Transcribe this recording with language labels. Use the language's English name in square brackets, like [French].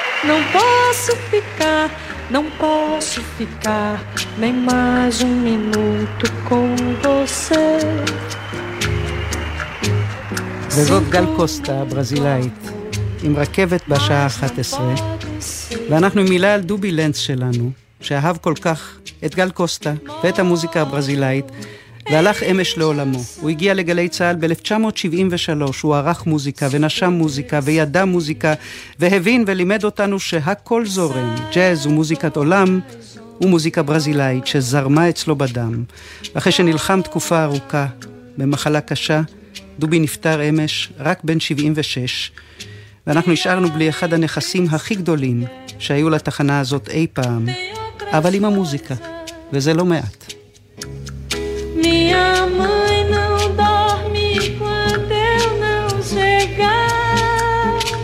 [Portuguese] Não posso ficar, não posso ficar nem mais um minuto com você. [Hebrew] וזאת גל קוסטה, ברזילאית, עם רכבת בשעה 11, ואנחנו עם מילה על דובי לנץ שלנו, שאהב כל כך את גל קוסטה ואת המוזיקה הברזילאית, והלך אמש לעולמו. הוא הגיע לגלי צהל ב-1973, הוא ערך מוזיקה ונשם מוזיקה וידע מוזיקה, והבין ולימד אותנו שהכל זורם, ג'אז ומוזיקת עולם ומוזיקה ברזילאית שזרמה אצלו בדם. אחרי שנלחם תקופה ארוכה במחלה קשה, דובי נפטר אמש רק בן 76, ואנחנו השארנו בלי אחד הנכסים הכי גדולים שהיו לתחנה הזאת אי פעם, אבל עם המוזיקה, וזה לא מעט. [Portuguese] Minha mãe não dorme quando eu não chegar.